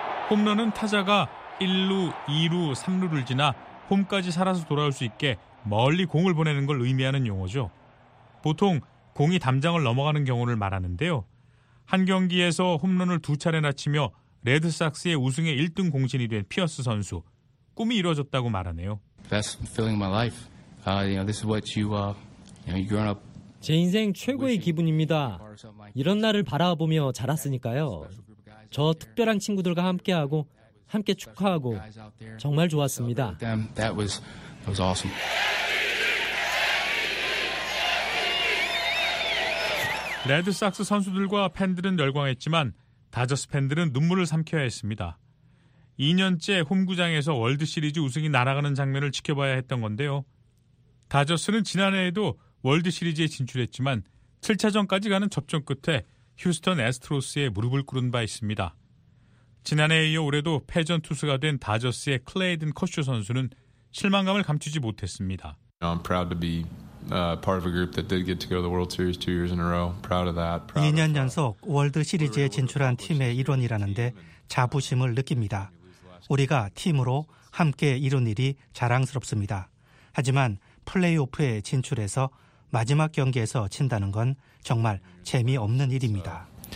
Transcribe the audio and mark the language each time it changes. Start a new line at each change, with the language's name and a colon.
Korean: 홈런은 타자가 1루, 2루, 3루를 지나 홈까지 살아서 돌아올 수 있게 멀리 공을 보내는 걸 의미하는 용어죠. 보통 공이 담장을 넘어가는 경우를 말하는데요. 한 경기에서 홈런을 두 차례나 치며 레드삭스의 우승에 1등 공신이 된 피어스 선수. 꿈이 이루어졌다고 말하네요.
English: Best feeling of my life. This is what you growing up.
Korean: 제 인생 최고의 기분입니다. 이런 날을 바라보며 자랐으니까요. 저 특별한 친구들과 함께하고 함께 축하하고 정말 좋았습니다.
English: That was awesome.
Korean: 레드삭스 선수들과 팬들은 열광했지만 다저스 팬들은 눈물을 삼켜야 했습니다. 2년째 홈구장에서 월드시리즈 우승이 날아가는 장면을 지켜봐야 했던 건데요. 다저스는 지난해에도 월드시리즈에 진출했지만 7차전까지 가는 접전 끝에 휴스턴 애스트로스에 무릎을 꿇은 바 있습니다. 지난해에 이어 올해도 패전 투수가 된 다저스의 클레이든 커쇼 선수는 실망감을 감추지 못했습니다.
English: I'm proud to be part of a group that did get to go to the World Series 2 years in a row. Proud of that.
Korean: 2년 연속 월드시리즈에 진출한 팀의 일원이라는데 자부심을 느낍니다. 우리가 팀으로 함께 이룬 일이 자랑스럽습니다. 하지만 플레이오프에 진출해서 마지막 경기에서 진다는 건 정말 재미없는 일입니다.